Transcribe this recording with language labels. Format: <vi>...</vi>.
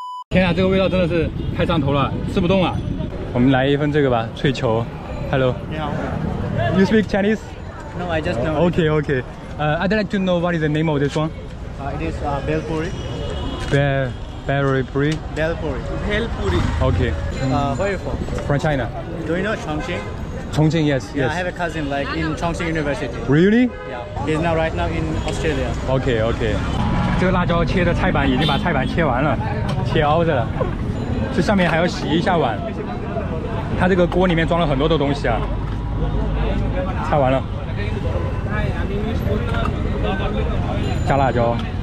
<zh>天啊，这个味道真的是太上头了，吃不动了。我们来一份这个吧，脆球。</zh> <en>Hello。</en> <zh>你好。</zh> <en>You speak Chinese? No, I just know. Okay, okay. I'd like to know what is the name of this one? It is bel puri. Bel puri. Bel puri. Bel puri. Okay. Where are you from? From China. Do you know Chongqing? Chongqing, yes. Yeah, yes. I have a cousin like in Chongqing University. Really? Yeah. He's now right now in Australia. Okay, okay.</en> <zh>这个辣椒切的菜板已经把菜板切完了，切凹着了，这上面还要洗一下碗。它这个锅里面装了很多的东西啊，菜完了，加辣椒。</zh>